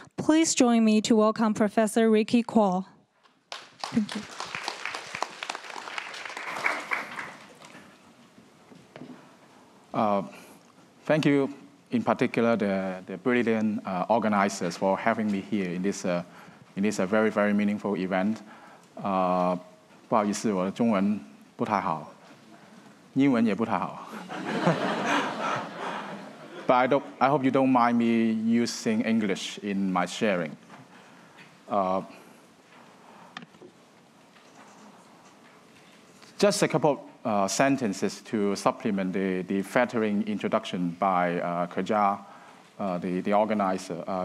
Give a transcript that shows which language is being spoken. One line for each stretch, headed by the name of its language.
English: Please join me to welcome Professor Ricky Kuo. Thank you. Thank you, in particular, the brilliant organizers for having me here in this very, very meaningful event.
Chinese: 不好意思，我的中文不太好，英文也不太好。
English: But I hope you don't mind me using English in my sharing. Just a couple. Sentences to supplement the flattering introduction by Kaja, the organizer.